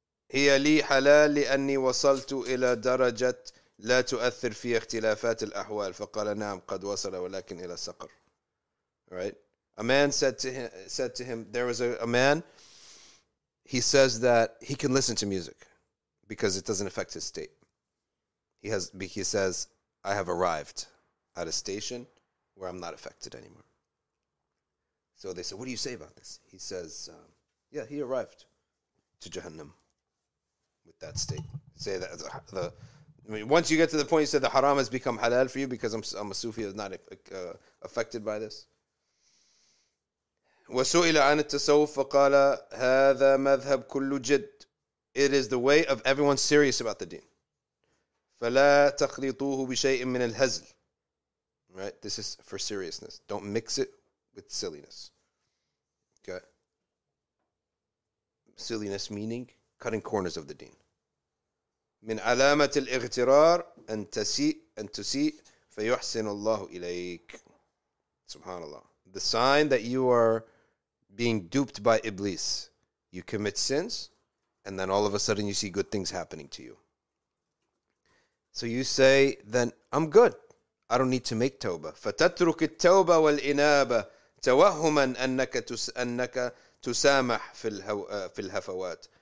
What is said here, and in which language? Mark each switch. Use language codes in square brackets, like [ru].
[ar] هي لي حلال لأني وصلت إلى درجة لا تؤثر في اختلافات الأحوال. فقال نعم قد وصل ولكن إلى سقر. [en] Right, a man said to him, there was a man. He says that he can listen to music because it doesn't affect his state. He says. I have arrived at a station where I'm not affected anymore. So they said, what do you say about this? He says, he arrived to Jahannam with that state. Say that once you get to the point, you say the haram has become halal for you because I'm a Sufi, I'm not affected by this. [ar] وَسُئِلَ عَنِ التَّصَوُّفِ فَقَالَ هَذَا مَذْهَبْ كُلُّ جِدْ. [en] It is the way of everyone serious about the deen. [ar] فَلَا تَخْلِطُوهُ بِشَيْءٍ مِّنَ الْهَزْلِ. [en] Right? This is for seriousness. Don't mix it with silliness. Okay? Silliness meaning cutting corners of the deen. [ar] من علامة الاغترار أن تسيء فيحسن الله إليك. Subhanallah. [en] The sign that you are being duped by Iblis. You commit sins, and then all of a sudden you see good things happening to you. So you say, then I'm good. I don't need to make tawbah. [ar] فتترك التوبة والإنابة توهما أنك تسامح في الهفوات.